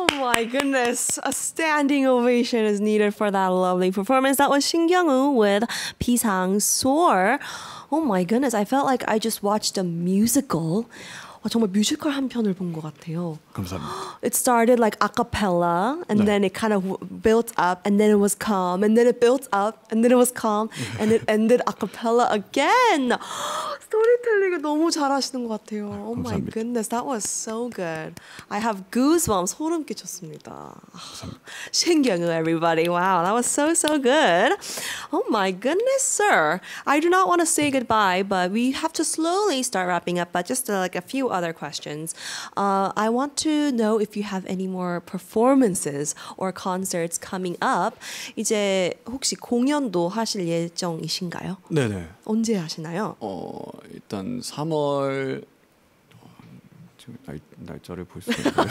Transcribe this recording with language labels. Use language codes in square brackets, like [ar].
[en] A standing ovation is needed for that lovely performance. That was Shin Kyung Woo with Pisang Soar. Oh my goodness, I felt like I just watched a musical. [ko] 정말 뮤지컬 한 편을 본 것 같아요. 감사합니다. [en] It started like a cappella and [ko] 네. [en] then it kind of built up and then it was calm and then it built up and then it was calm and it ended a cappella again. [ko] 스토리텔링을 너무 잘하시는 것 같아요. [en] 아, oh my goodness, that was so good. I have goosebumps, [ko] 소름 끼쳤습니다. 감사합니다. [en] 신경우, everybody. Wow, that was so, so good. Oh my goodness, sir. I do not want to say goodbye, but we have to slowly start wrapping up, but just like a few other questions. I want to know if you have any more performances or concerts coming up. [ko] 이제 혹시 공연도 하실 예정이신가요? 네네. 언제 하시나요? 일단 3월 지금 날짜를 볼 수 있어요.